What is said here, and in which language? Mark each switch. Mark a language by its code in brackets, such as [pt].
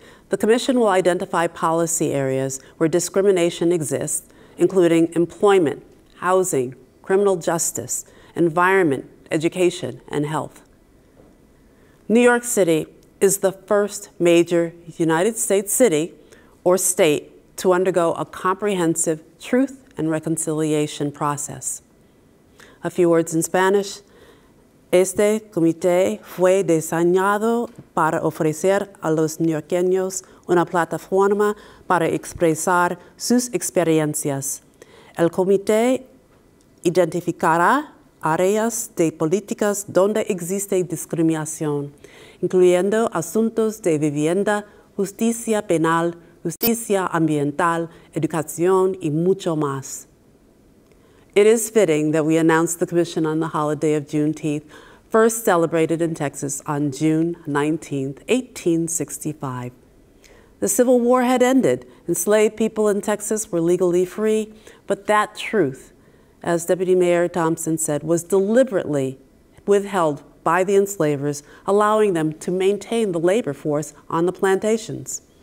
[en] The commission will identify policy areas where discrimination exists, including employment, housing, criminal justice, environment, education, and health. New York City is the first major United States city or state to undergo a comprehensive truth and reconciliation process. A few words in Spanish. [es] Este comité fue diseñado para ofrecer a los neoyorquinos una plataforma para expresar sus experiencias. El comité identificará áreas de políticas donde existe discriminación, incluyendo asuntos de vivienda, justicia penal, justicia ambiental, educación, y mucho más. [en] It is fitting that we announce the commission on the holiday of Juneteenth, first celebrated in Texas on June 19, 1865. The Civil War had ended. Enslaved people in Texas were legally free, but that truth, as Deputy Mayor Thompson said, was deliberately withheld by the enslavers, allowing them to maintain the labor force on the plantations.